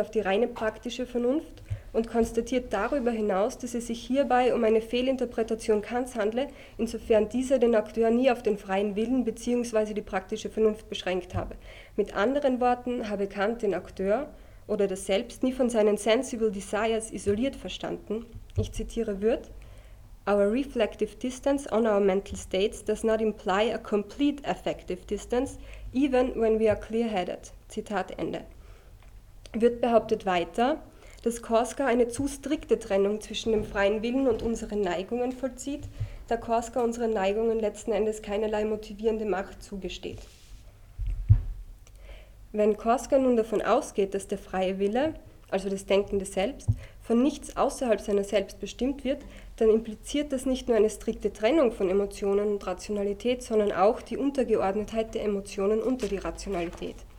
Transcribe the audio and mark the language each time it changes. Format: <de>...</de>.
<de>auf die reine praktische Vernunft und konstatiert darüber hinaus, dass es sich hierbei um eine Fehlinterpretation Kants handle, insofern dieser den Akteur nie auf den freien Willen bzw. die praktische Vernunft beschränkt habe. Mit anderen Worten habe Kant den Akteur oder das Selbst nie von seinen</de> <en>Sensible Desires</en> <de>isoliert verstanden. Ich zitiere</de> <en>Würth, Our reflective distance on our mental states does not imply a complete affective distance, even when we are clear-headed.</en> <de>Zitat Ende. Würth behauptet weiter, dass Korsker eine zu strikte Trennung zwischen dem freien Willen und unseren Neigungen vollzieht, da Korsker unseren Neigungen letzten Endes keinerlei motivierende Macht zugesteht. Wenn Korsker nun davon ausgeht, dass der freie Wille, also das Denken des Selbst, von nichts außerhalb seiner selbst bestimmt wird, dann impliziert das nicht nur eine strikte Trennung von Emotionen und Rationalität, sondern auch die Untergeordnetheit der Emotionen unter die Rationalität.</de>